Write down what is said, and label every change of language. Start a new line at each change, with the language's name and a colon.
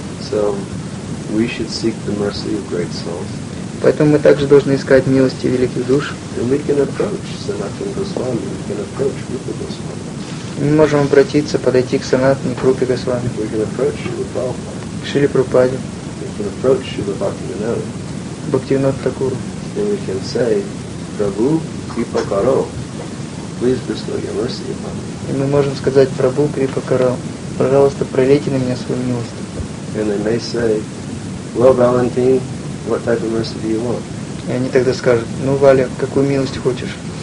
English: So we should seek the mercy of great souls.
Russian: Поэтому мы также должны искать милости великих душ.
English: And we can approach Sanatana Goswami. We can approach Rupa Goswami.
Russian: Мы можем обратиться, подойти к Санатане Рупе Госвами.
English: We can approach Шрила Прабхупаде.
Russian: К Шриле Прабхупаде.
English: We can approach Шрила Бхактивинода.
Russian: Бхактивинода Такуру.
English: And we can say,
Bangla: Prabhu Kripa Karo,
English: please bestow your mercy upon me.
Russian: И мы можем сказать
Bangla: Прабху Крипа Карал,
Russian: пожалуйста, пролейте на меня свою милость.
English: And they may say, well, Valentine, what type of mercy do you want?
Russian: И они тогда скажут, ну, Валя, какую милость хочешь?